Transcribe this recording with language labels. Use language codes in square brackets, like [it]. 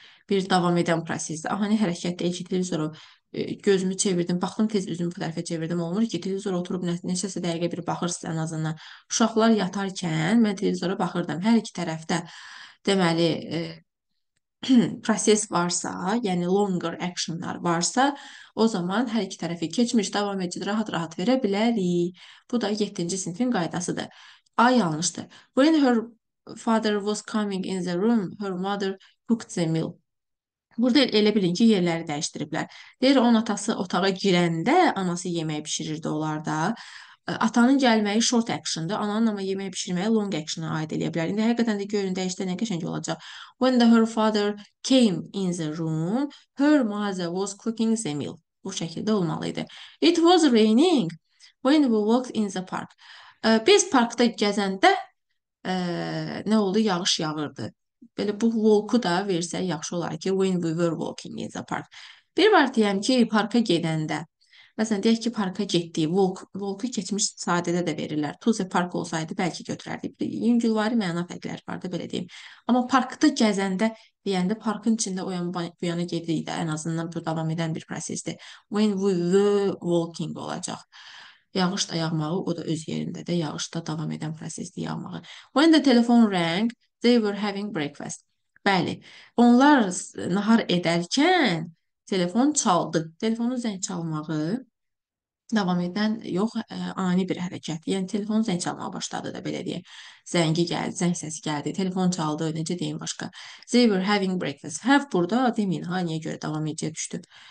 [az] Bir davam edən prosesdir. Aha, nə hərəkət deyil ki, televizora gözümü çevirdim, baxdım tez üzümü bu tərəfə çevirdim, olmur ki, televizora oturub neçəsə dəqiqə bir baxırsınız ən azından. Uşaqlar yatarkən mən televizora baxırdım. Hər iki tərəfdə deməli proses varsa, yəni longer actionlar varsa, o zaman hər iki tərəfi keçmiş davam edici rahat rahat verə bilərik. Bu da 7-ci sinifin qaydasıdır. A yanlışdır. [en] When her father was coming in the room, her mother cooked the meal. [az] Burada elə bilin ki, yerləri dəyişdiriblər. Deyir, onun atası otağa girəndə anası yemək bişirirdi onlarda. Atanın gəlməyi short action-dır. Ananın amma yemək bişirməyi long action-a aid eləyə bilər. İndi həqiqətən də görün dəyişdə nə qəşəng olacaq. [en] When the her father came in the room, her mother was cooking the meal. [az] Bu şəkildə olmalı idi. [en] It was raining when we walked in the park. [az] Biz parkda gəzəndə nə oldu? Yağış yağırdı. Belə bu walk-u da versək yaxşı olar ki, [en] when we were walking in the park. [az] Bir var deyəm ki, parka gedəndə. Məsələn, deyək ki, parka getdi. Walk-u keçmiş sadədə də verirlər. To the park olsaydı, bəlkə götürərdi. Yüngülvari məna fərqləri vardı, belə deyim. Amma parkda gəzəndə, deyəndə parkın içində o yana bu yana gedirik də, ən azından bu davam edən bir prosesdir. When we were walking olacaq. Yağış da yağmağı, o da öz yerində də yağış da davam edən prosesdir yağmağı. [en] When the telephone rang, they were having breakfast. [az] Bəli, onlar nahar edərkən telefon çaldı. Telefonun zəng çalmağı davam edən yox, ani bir hərəkət. Yəni telefon zəng çalmağa başladı da belə deyək. Zəngi gəldi, zəng səsi gəldi, telefon çaldı, necə deyim başqa. [en] They were having breakfast. [az] Have burada demin haniyə görə davam edəcəyə düşdü.